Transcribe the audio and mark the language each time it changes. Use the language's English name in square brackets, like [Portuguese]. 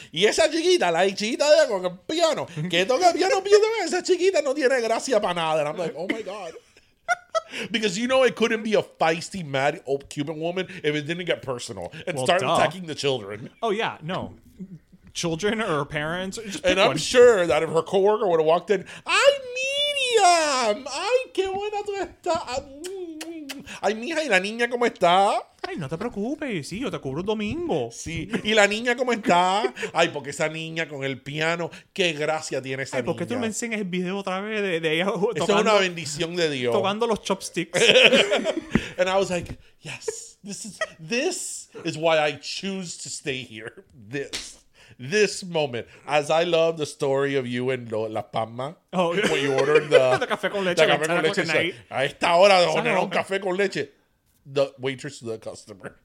[Spanish] Y esa chiquita, la chiquita de con el piano, que toca el piano, piano, esa chiquita no tiene gracia para nada. [English] And I'm like, oh my God. Because you know it couldn't be a feisty, mad old Cuban woman if it didn't get personal and start attacking the children. Oh, yeah. No. Children or her parents. And I'm sure that if her coworker would have walked in, [Spanish] ¡Ay, Miriam! ¡Ay, qué buena tú estás! ¡Ay, mija! ¿Y la niña cómo está? ¡Ay, no te preocupes! Sí, yo te cubro el domingo. Sí. ¿Y la niña cómo está? ¡Ay, porque esa niña con el piano! ¡Qué gracia tiene esa Ay, niña! ¡Ay, porque tú me enseñas el video otra vez de ella tocando! ¡Eso es una bendición de Dios! Tocando los chopsticks. [English] And I was like, yes. This is why I choose to stay here. This moment, as I love the story of you and La Palma, when you ordered the [Spanish] café con leche, café con leche like a esta hora de poner un café con leche, [English] the waitress to the customer.